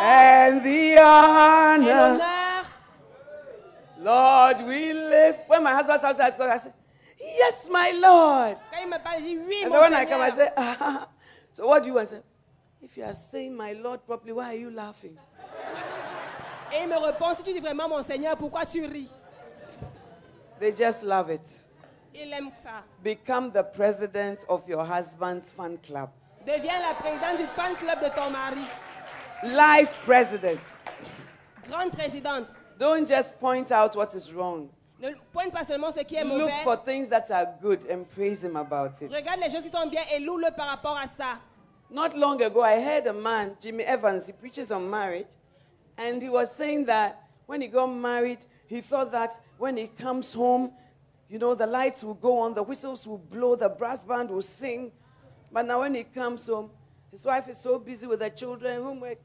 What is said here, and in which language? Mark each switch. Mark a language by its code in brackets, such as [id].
[en] and the honor. [fr] Et [en] Lord, we lift. When my husband comes, I say, yes, my Lord. And then when I come, I say, so what do you want? I say, if you are saying my Lord properly, why are you laughing? [fr] Et il me répond, si tu dis vraiment mon Seigneur, pourquoi tu ris? [en] They just love it. [fr] Il aime ça. [en] Become the president of your husband's fan club. [fr] Deviens la présidente du fan club de ton mari. [en] Life president. [fr] Grande présidente. [en] Don't just point out what is wrong. [fr] Ne pointe pas seulement ce qui est mauvais. [en] Look for things that are good and praise him about it. [fr] Regarde les choses qui sont bien et loue-le par rapport à ça. [en] Not long ago, I heard a man, Jimmy Evans, he preaches on marriage, and he was saying that when he got married, he thought that when he comes home, you know, the lights will go on, the whistles will blow, the brass band will sing. But now when he comes home, his wife is so busy with her children, homework.